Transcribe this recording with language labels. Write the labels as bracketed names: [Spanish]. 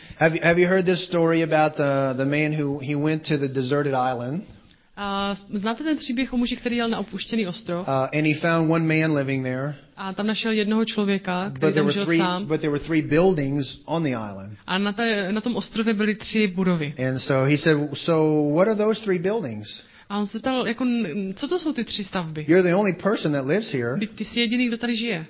[English] Have you heard this story about the man who he went to the deserted island? [Czech] Znáte ten příběh o muži, který jel na opuštěný ostrov? [English] And he found one man living there. [Czech] A tam našel jednoho člověka, který tam žil sám. [English] But there were three buildings on the island. [Czech] A na tom ostrově byly tři budovy. [English] And so he said, so what are those three buildings? [Czech] A on se ptal, jako, co to jsou ty tři stavby? [English] You're the only person that lives here. [Czech] Ty jsi jediný, kdo tady žije.